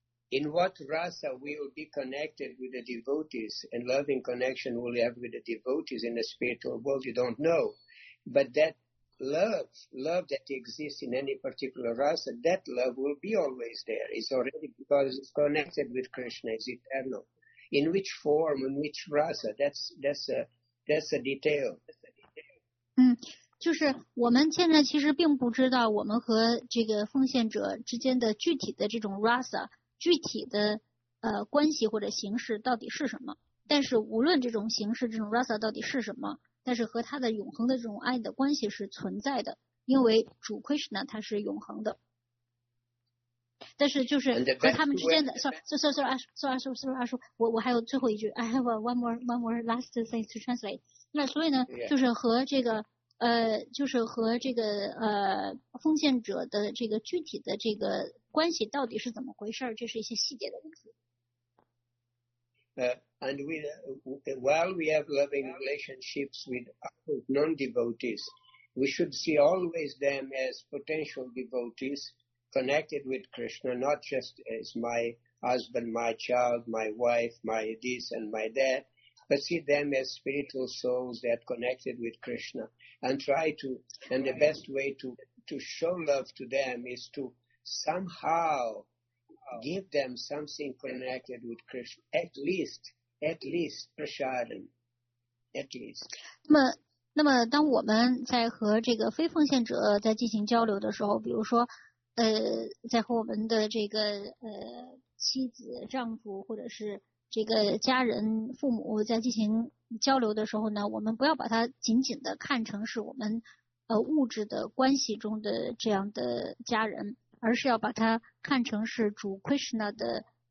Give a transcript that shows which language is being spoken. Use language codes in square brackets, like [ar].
[en] In what rasa we will be connected with the devotees and loving connection we'll have with the devotees in the spiritual world, you don't know. But that love that exists in any particular rasa, that love will be always there. It's already because it's connected with Krishna, it's eternal. In which form, in which rasa, that's a detail. [zh] 就是我们现在其实并不知道我们和这个奉献者之间的具体的这种 rasa,具体的关系或者形式到底是什么，但是无论这种形式这种 rasa 到底是什么，但是和他的永恒的这种爱的关系是存在的，因为主 Krishna 他是永恒的。但是就是和他们之间的 sorry 阿叔，我还有最后一句， [en] I have one more last thing to translate。 [zh] 那所以呢、 [en] yeah. [zh] 就是和这个就是和这个奉献者的这个具体的这个关系到底是怎么回事，这是一些细节的问题。 [en] And while we have loving relationships with non-devotees, we should see always them as potential devotees connected with Krishna, not just as my husband, my child, my wife, my this and my that, but see them as spiritual souls that connected with Krishna and try to, and the best way to show love to them is to somehow give them something connected with Krishna, at least prasadam, at least. [zh] 那么当我们在和这个非奉献者在进行交流的时候，比如说在和我们的这个妻子丈夫或者是这个家人父母在进行交流的时候呢，我们不要把它仅仅的看成是我们物质的关系中的这样的家人，而是要把它看成是主 Krishna 的